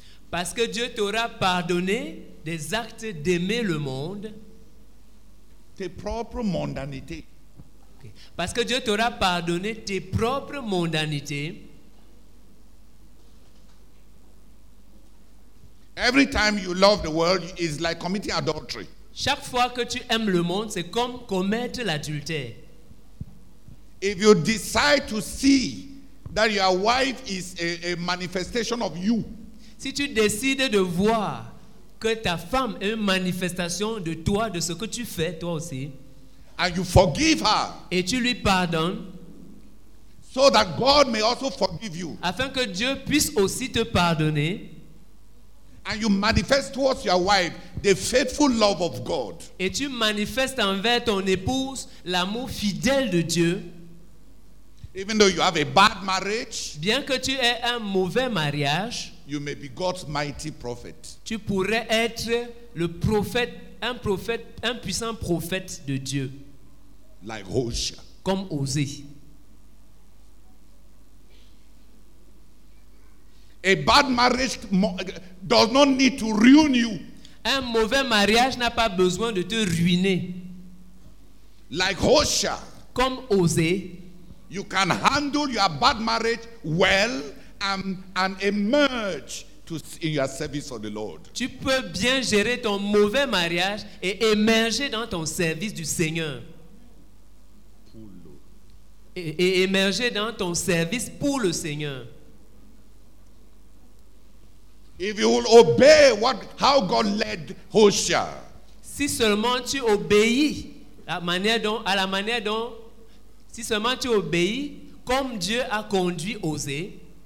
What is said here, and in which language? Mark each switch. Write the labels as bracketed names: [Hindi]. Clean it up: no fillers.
[French] Parce que Dieu t'aura pardonné des actes d'aimer le monde. Tes propres mondanités. [English] Okay. [French] Parce que Dieu t'aura pardonné tes propres mondanités. [English] Every time you love the world, it's like committing adultery. [French] Chaque fois que tu aimes le monde, c'est comme commettre l'adultère. [English] If you decide to see that your wife is a manifestation of you, [French] si tu décides de voir que ta femme est une manifestation de toi, de ce que tu fais toi aussi, [English] and you forgive her, [French] et tu lui pardonnes, [English] so that God may also forgive you, [French] afin que Dieu puisse aussi te pardonner, [English] and you manifest towards your wife the faithful love of God, [French] et tu manifestes envers ton épouse l'amour fidèle de Dieu, [English] even though you have a bad marriage, [French] bien que tu aies un mauvais mariage, [English] you may be God's mighty prophet, [French] tu pourrais être le prophète, un prophète, un puissant prophète de Dieu, [English] like Hosea, [French] comme Osée. [English] A bad marriage does not need to ruin you. [French] Un mauvais mariage n'a pas besoin de te ruiner. [English] Like Hosea, [French] comme Osée, [English] you can handle your bad marriage well and emerge in your service of the Lord. [French] Tu peux bien gérer ton mauvais mariage et émerger dans ton service du Seigneur. Et émerger dans ton service pour le Seigneur. [English] If you will obey how God led Hosea. [French] Si seulement tu obéis à la manière dont si seulement tu obéis comme Dieu a conduit Osée.